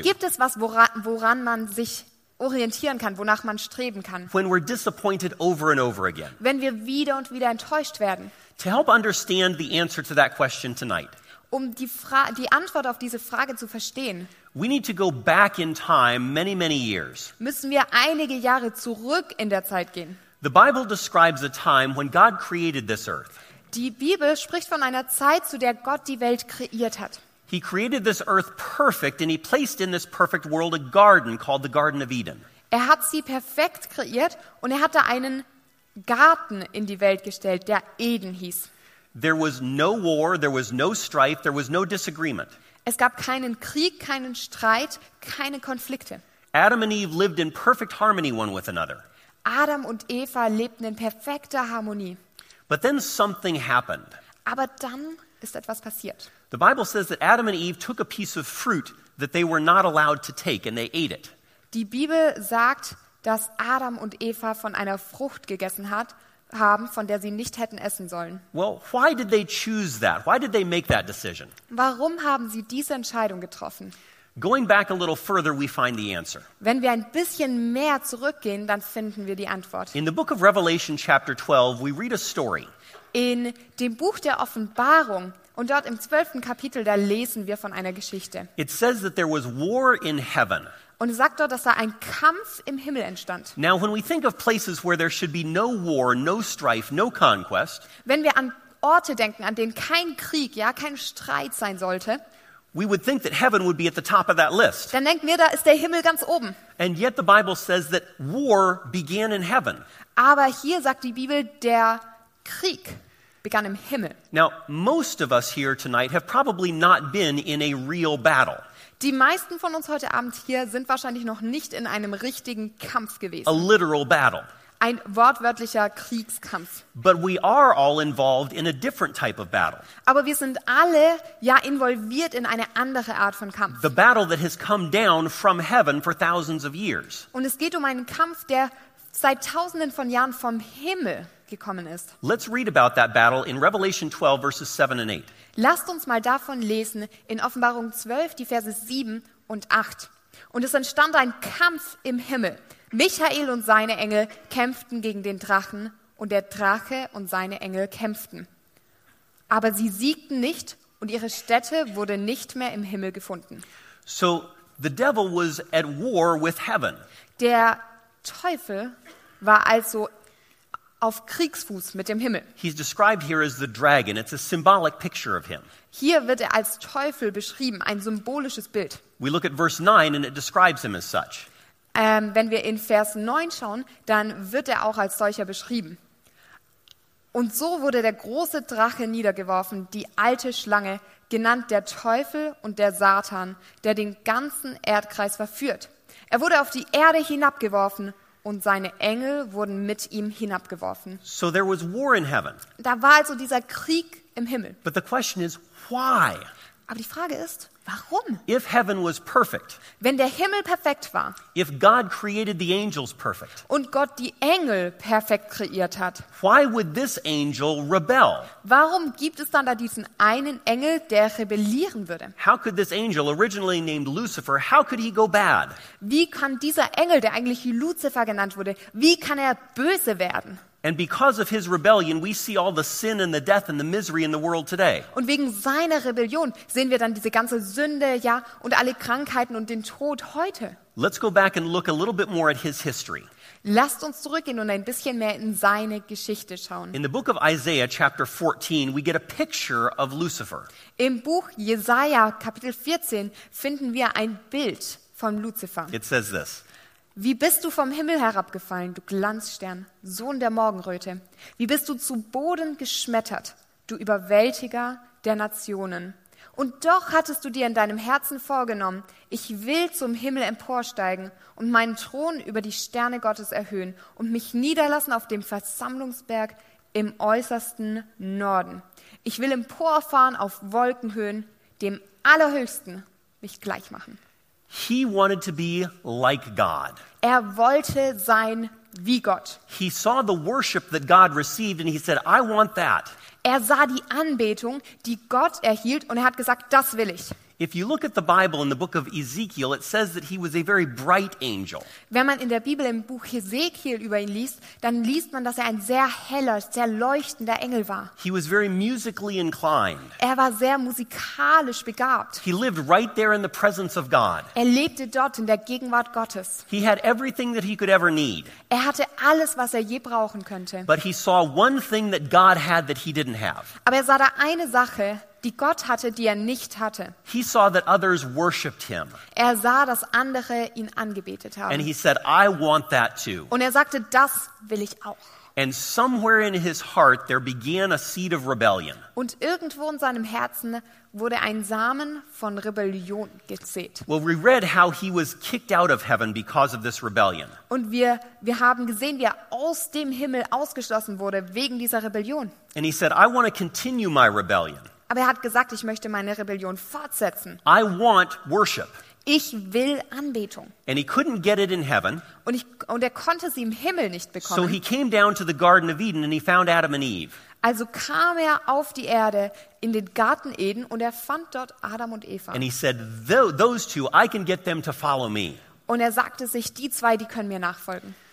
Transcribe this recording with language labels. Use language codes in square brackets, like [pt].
[de] Gibt es was, woran man sich orientieren kann, wonach man streben kann? [en] When we're disappointed over and over again. [de] Wenn wir wieder und wieder enttäuscht werden. [en] To help understand the answer to that question tonight. [de] Um die Antwort auf diese Frage zu verstehen. [en] We need to go back in time many, many years. [de] Müssen wir einige Jahre zurück in der Zeit gehen. [en] The Bible describes a time when God created this earth. [de] Die Bibel spricht von einer Zeit, zu der Gott die Welt kreiert hat. [en] He created this earth perfect and he placed in this perfect world a garden called the Garden of Eden. [de] Er hat sie perfekt kreiert und er hatte einen Garten in die Welt gestellt, der Eden hieß. [en] There was no war, there was no strife, there was no disagreement. [de] Es gab keinen Krieg, keinen Streit, keine Konflikte. [en] Adam and Eve lived in perfect harmony one with another. [de] Adam und Eva lebten in perfekter Harmonie. [en] But then something happened. [de] Aber dann ist etwas passiert. [en] The Bible says that Adam and Eve took a piece of fruit that they were not allowed to take and they ate it. [de] Die Bibel sagt, dass Adam und Eva von einer Frucht gegessen haben, von der sie nicht hätten essen sollen. [en] Well, why did they choose that? Why did they make that decision? [de] Warum haben sie diese Entscheidung getroffen? [en] Going back a little further, we find the answer. [de] Wenn wir ein bisschen mehr zurückgehen, dann finden wir die Antwort. [en] In the book of Revelation chapter 12, we read a story. [de] In dem Buch der Offenbarung und dort im 12. Kapitel, da lesen wir von einer Geschichte. [en] It says that there was war in heaven. [de] Und es sagt dort, dass da ein Kampf im Himmel entstand. [en] Now when we think of places where there should be no war, no strife, no conquest, [de] wenn wir an Orte denken, an denen kein Krieg, ja, kein Streit sein sollte, [en] we would think that heaven would be at the top of that list. [de] Dann denken wir, da ist der Himmel ganz oben. [en] And yet the Bible says that war began in heaven. [de] Aber hier sagt die Bibel, der Krieg begann im Himmel. [en] Now, most of us here tonight have probably not been in a real battle. [de] Die meisten von uns heute Abend hier sind wahrscheinlich noch nicht in einem richtigen Kampf gewesen. [en] A literal battle. [de] Ein wortwörtlicher Kriegskampf. [en] But we are all involved in a different type of battle. [de] Aber wir sind alle ja involviert in eine andere Art von Kampf. [en] The battle that has come down from heaven for thousands of years. [de] Und es geht um einen Kampf, der seit tausenden von Jahren vom Himmel gekommen ist. [en] Let's read about that battle in Revelation 12 verses 7 and 8. [de] Lasst uns mal davon lesen in Offenbarung 12 die Verse 7 und 8. Und es entstand ein Kampf im Himmel. Michael und seine Engel kämpften gegen den Drachen und der Drache und seine Engel kämpften. Aber sie siegten nicht und ihre Stätte wurde nicht mehr im Himmel gefunden. [en] So the devil was at war with heaven. [de] Der Teufel war also auf Kriegsfuß mit dem Himmel. [en] He's described here as the dragon. It's a symbolic picture of him. [de] Hier wird er als Teufel beschrieben, ein symbolisches Bild. [en] We look at verse 9 and it describes him as such. [de] Wenn wir in Vers 9 schauen, dann wird er auch als solcher beschrieben. Und so wurde der große Drache niedergeworfen, die alte Schlange, genannt der Teufel und der Satan, der den ganzen Erdkreis verführt. Er wurde auf die Erde hinabgeworfen und seine Engel wurden mit ihm hinabgeworfen. [en] So there was war in heaven. [de] Da war also dieser Krieg im Himmel. [en] But the question is, why? [de] Aber die Frage ist, warum? [en] If heaven was perfect, [de] wenn der Himmel perfekt war, [en] if God created the angels perfect, [de] und Gott die Engel perfekt kreiert hat, [en] why would this angel rebel? [de] Warum gibt es dann da diesen einen Engel, der rebellieren würde? [en] How could this angel, originally named Lucifer, how could he go bad? [de] Wie kann dieser Engel, der eigentlich Lucifer genannt wurde, wie kann er böse werden? [en] And because of his rebellion, we see all the sin and the death and the misery in the world today. [de] Und wegen seiner Rebellion sehen wir dann diese ganze Sünde, ja, und alle Krankheiten und den Tod heute. [en] Let's go back and look a little bit more at his history. [de] Lasst uns zurückgehen und ein bisschen mehr in seine Geschichte schauen. [en] In the book of Isaiah, chapter 14, we get a picture of Lucifer. [de] Im Buch Jesaja, Kapitel 14, finden wir ein Bild von Lucifer. [en] It says this. [de] Wie bist du vom Himmel herabgefallen, du Glanzstern, Sohn der Morgenröte? Wie bist du zu Boden geschmettert, du Überwältiger der Nationen? Und doch hattest du dir in deinem Herzen vorgenommen, ich will zum Himmel emporsteigen und meinen Thron über die Sterne Gottes erhöhen und mich niederlassen auf dem Versammlungsberg im äußersten Norden. Ich will emporfahren auf Wolkenhöhen, dem Allerhöchsten mich gleich machen. [en] He wanted to be like God. [de] Er wollte sein wie Gott. [en] He saw the worship that God received and he said, I want that. [de] Er sah die Anbetung, die Gott erhielt, und er hat gesagt, das will ich. [en] If you look at the Bible in the book of Ezekiel, it says that he was a very bright angel. [de] Wenn man in der Bibel im Buch Ezekiel über ihn liest, dann liest man, dass er ein sehr heller, sehr leuchtender Engel war. [en] He was very musically inclined. [de] Er war sehr musikalisch begabt. [en] He lived right there in the presence of God. [de] Er lebte dort in der Gegenwart Gottes. [en] He had everything that he could ever need. [de] Er hatte alles, was er je brauchen könnte. [en] But he saw one thing that God had that he didn't have. [de] Aber er sah da eine Sache, die Gott hatte, die er nicht hatte. [en] He saw that others worshiped him. [de] Er sah, dass andere ihn angebetet haben. [en] And he said, I want that too. [de] Und er sagte, das will ich auch. [en] And somewhere in his heart there began a seed of rebellion. [de] Und irgendwo in seinem Herzen wurde ein Samen von Rebellion gesät. [en] Well, we read how he was kicked out of heaven because of this rebellion. [de] Und wir haben gesehen, wie er aus dem Himmel ausgeschlossen wurde wegen dieser Rebellion. [en] And he said, I want to continue my rebellion. [de] Aber er hat gesagt, ich möchte meine Rebellion fortsetzen. [en] I want worship. [de] Ich will Anbetung. [en] And he couldn't get it in heaven. [de] Und er konnte sie im Himmel nicht bekommen. [en] So he came down to the Garden of Eden and he found Adam and Eve. [de] Also kam er auf die Erde in den Garten Eden und er fand dort Adam und Eva. [en] And he said, those two, I can get them to follow me. [de] Und er sagte sich, die zwei, die können mir nachfolgen.